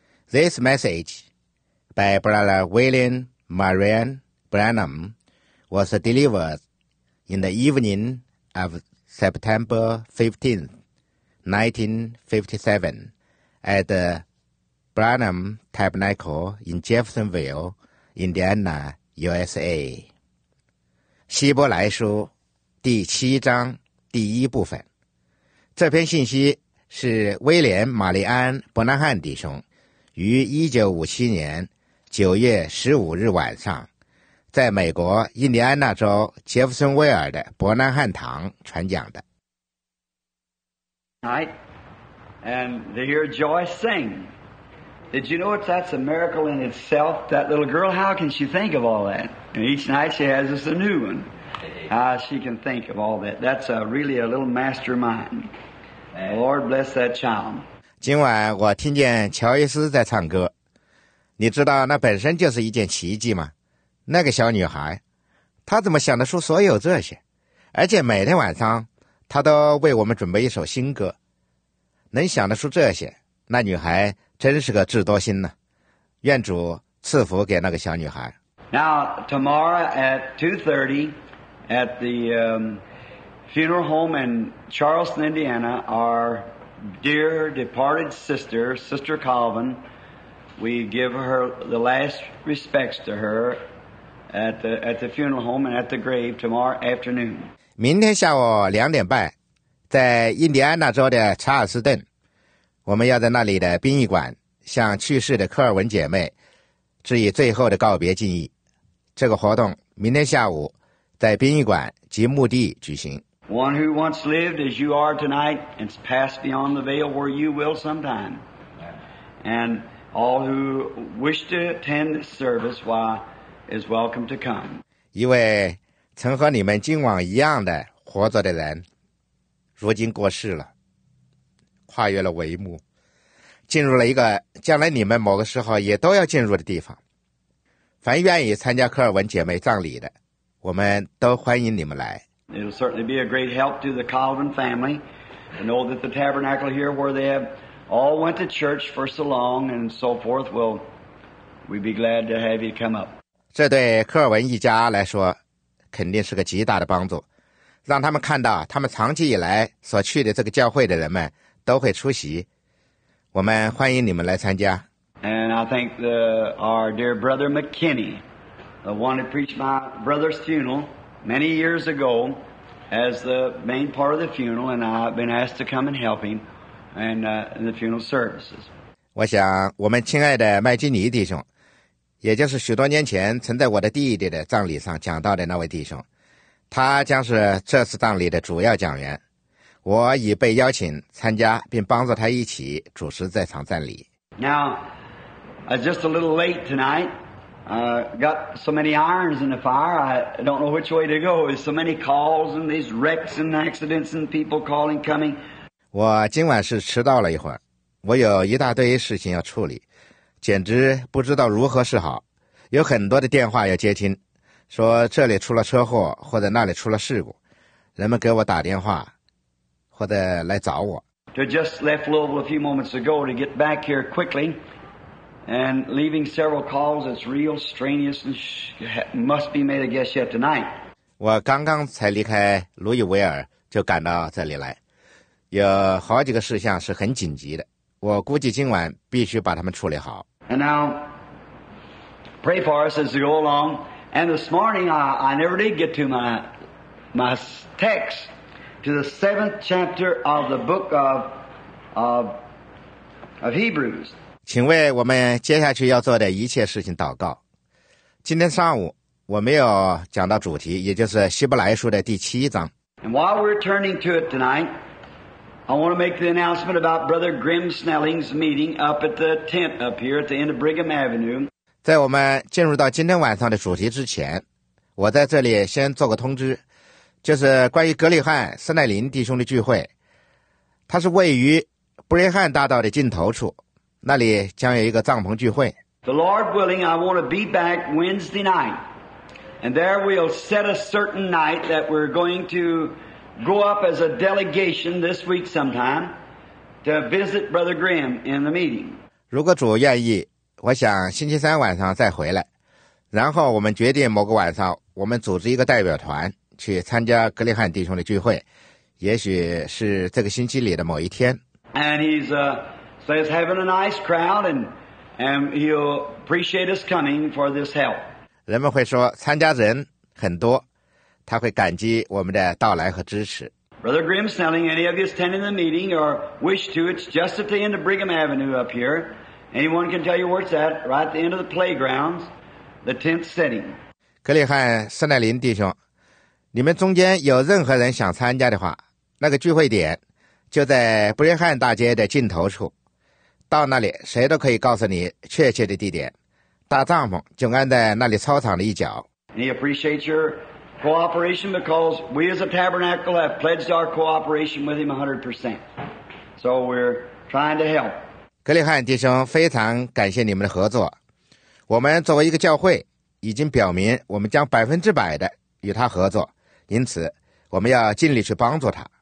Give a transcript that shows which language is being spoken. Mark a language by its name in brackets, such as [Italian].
[English] This message by Brother William Marion Branham was delivered in the evening of September 15, 1957, at the Branham Tabernacle in Jeffersonville, Indiana, USA. [Chinese] 希伯来书第七章第一部分。这篇信息是威廉·玛丽安·伯南汉弟兄于1957年9月15日晚上在美国印第安纳州杰弗森威尔的伯南汉堂传讲的。 [English] Right. And did your joy sing? Did you know that's a miracle in itself? That little girl, how can she think of all that? And each night she has this a new one. How she can think of all that. That's a really a little mastermind. Lord bless that child. [Chinese] 今晚我听见乔伊斯在唱歌，你知道那本身就是一件奇迹吗？那个小女孩，她怎么想得出所有这些？而且每天晚上，她都为我们准备一首新歌。能想得出这些，那女孩真是个智多星呢。愿主赐福给那个小女孩。 [English] Now, tomorrow at 2:30 at the funeral home in Charleston, Indiana, our dear departed sister, Sister Calvin, we give her the last respects to her at the funeral home and at the grave tomorrow afternoon. [Chinese] 明天下午两点半，在印第安纳州的查尔斯顿，我们要在那里的殡仪馆向去世的科尔文姐妹致以最后的告别敬意。这个活动明天下午在殡仪馆及墓地举行。 [English] One who once lived as you are tonight and passed beyond the veil where you will sometime. And all who wish to attend this service, why, is welcome to come. [Chinese] 一位曾和你们今晚一样的活着的人如今过世了，跨越了帷幕，进入了一个将来你们某个时候也都要进入的地方。凡愿意参加科尔文姐妹葬礼的，我们都欢迎你们来。 [English] It'll certainly be a great help to the Calvin family to know that the tabernacle here where they have all went to church for so long and so forth, well, we'd be glad to have you come up. [Chinese] 这对科尔文一家来说肯定是个极大的帮助，让他们看到他们长期以来所去的这个教会的人们都会出席。我们欢迎你们来参加。 [English] And I thank our dear brother McKinney, the one who preached my brother's funeral,Many years ago, as the main part of the funeral, and I've been asked to come and help him and, in the funeral services. [Chinese] 我想我们亲爱的麦基尼弟兄，也就是许多年前曾在我的弟弟的葬礼上讲到的那位弟兄，他将是这次葬礼的主要讲员。我已被邀请参加并帮助他一起主持这场葬礼。 [English] Now, I'm just a little late tonight. Got so many irons in the fire, I don't know which way to go. There's so many calls and these wrecks and accidents and people calling, coming. [Chinese] 我今晚是迟到了一会儿，我有一大堆事情要处理，简直不知道如何是好。有很多的电话要接听，说这里出了车祸或者那里出了事故，人们给我打电话或者来找我。 [English] I just left Louisville a few moments ago to get back here quickly. And leaving several calls, it's real strenuous and must be made, I guess, yet tonight. [Chinese] 我刚刚才离开路易维尔就赶到这里来，有好几个事项是很紧急的，我估计今晚必须把它们处理好。 [English] And now, pray for us as we go along. And this morning, I never did get to my text, to the seventh chapter of the book of Hebrews. [Chinese] 请为我们接下去要做的一切事情祷告。今天上午我没有讲到主题，也就是希伯来书的第七章。 [English] And while we're turning to it tonight, I want to make the announcement about Brother Grim Snelling's meeting up at the tent up here at the end of Brigham Avenue. [Chinese] 在我们进入到今天晚上的主题之前，我在这里先做个通知，就是关于格里汉·斯奈林弟兄的聚会，它是位于布雷汉大道的尽头处。那里将有一个帐篷聚会。 [English] The Lord willing, I want to be back Wednesday night, and there we'll set a certain night that we're going to go up as a delegation this week sometime to visit Brother Graham in the meeting. [Chinese] 如果主愿意，我想星期三晚上再回来，然后我们决定某个晚上，我们组织一个代表团去参加格里汉弟兄的聚会，也许是这个星期里的某一天。 [English] And he's says having a nice crowd, and he'll appreciate us coming for this help. [Chinese] 人们会说参加人很多，他会感激我们的到来和支持。 [English] Brother Graham Snelling, any of you attending the meeting or wish to, it's just at the end of Brigham Avenue up here. Anyone can tell you where it's at, right at the end of the playgrounds, the tenth setting. [Chinese] 格里汉·斯奈林弟兄，你们中间有任何人想参加的话，那个聚会点就在布林汉大街的尽头处，到那里谁都可以告诉你确切的地点，大帐篷就安在那里操场的一角。 [English] He appreciates your cooperation because we as a tabernacle have pledged our cooperation with him 100%. So we're trying to help. [Chinese] 格里汉弟兄非常感谢你们的合作，我们作为一个教会已经表明我们将100%的与他合作，因此我们要尽力去帮助他。